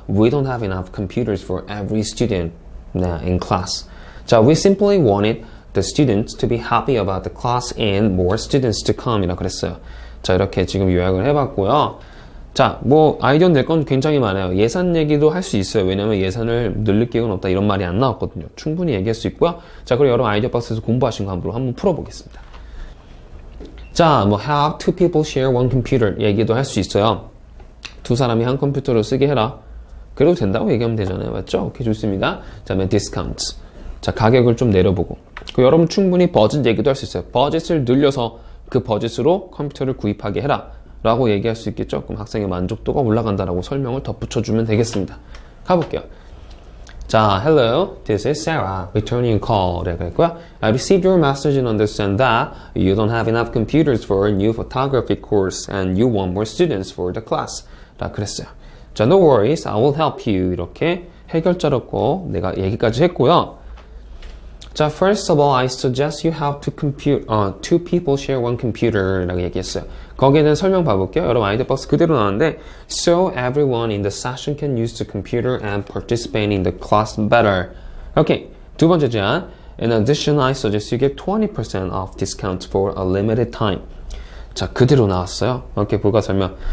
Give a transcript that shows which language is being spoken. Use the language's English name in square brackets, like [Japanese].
[English] We don't have enough computers for every student in class. So we simply wanted the students to be happy about the class and more students to come. [Korean] 이라고 그랬어요. 자, 이렇게 지금 요약을 해봤고요. 자, 뭐 아이디어 낼 건 굉장히 많아요. 예산 얘기도 할 수 있어요. 왜냐면 예산을 늘릴 계획은 없다 이런 말이 안 나왔거든요. 충분히 얘기할 수 있고요. 자, 그리고 여러분 아이디어 박스에서 공부하신 거 한번 풀어보겠습니다. 자, 뭐 [English] how two people share one computer [Korean] 얘기도 할 수 있어요. 두 사람이 한 컴퓨터로 쓰게 해라. 그래도 된다고 얘기하면 되잖아요. 맞죠? 오케이, 좋습니다. 자, 맨 디스카운트. 자, 가격을 좀 내려보고. 그 여러분 충분히 버짓 얘기도 할 수 있어요. 버짓을 늘려서 그 버짓으로 컴퓨터를 구입하게 해라. 라고 얘기할 수 있겠죠? 그럼 학생의 만족도가 올라간다라고 설명을 덧붙여주면 되겠습니다. 가볼게요. 자, [English] Hello, this is Sarah, returning call. [Korean] 라고 했고요. [English] I received your message and understand that you don't have enough computers for a new photography course and you want more students for the class. [Korean] 라고 그랬어요. 자, [English] no worries, I will help you. [Korean] 이렇게 해결자로고 내가 얘기까지 했고요. [English] 자, first of all, I suggest you have two two people share one computer. [Korean] 라고 얘기했어요. 거기에는 설명 봐볼게요. 여러분 아이디어 박스 그대로 나왔는데 [English] So everyone in the session can use the computer and participate in the class better. 오케이, [Korean] 두 번째 제안. [English] In addition, I suggest you get 20% off discount for a limited time. [Korean] 자, 그대로 나왔어요. 이렇게 불가 설명.